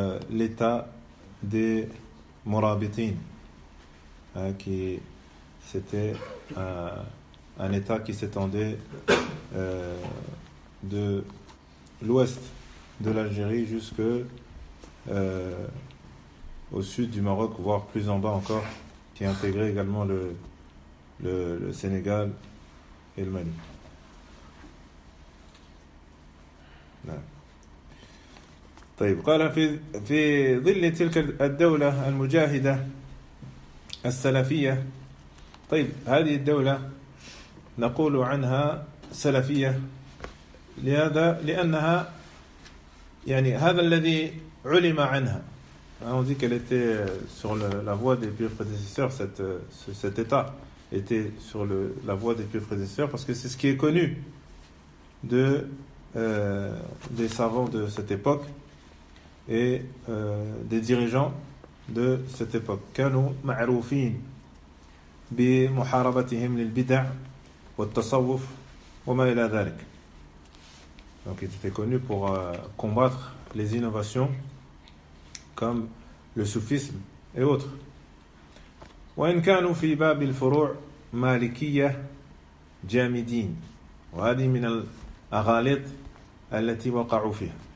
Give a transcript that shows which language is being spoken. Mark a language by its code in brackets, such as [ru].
[fr] l'état des Murabitin, qui c'était un état qui s'étendait de l'ouest de l'Algérie jusque au sud du Maroc, voire plus en bas encore, qui intégrait également le Sénégal et le Mali. [ar] طيب قال في ظل تلك الدولة المجاهدة السلفية. طيب، هذه الدولة نقول عنها سلفية لهذا، لأنها يعني هذا الذي علم عنها. [fr] On dit qu'elle était sur la voie des pieux prédécesseurs. Cet état était sur la voie des pieux prédécesseurs parce que c'est ce qui est connu de des savants de cette époque et des dirigeants de cette époque. [ar] كانوا معروفين بمحاربتهم للبدع والتصوف وما إلى ذلك. [fr] Donc ils étaient connus pour combattre les innovations comme le soufisme et autres. [ar] وإن كانوا في باب الفروع مالكية جامدين. وهذه من الأغاليط التي وقعوا فيها.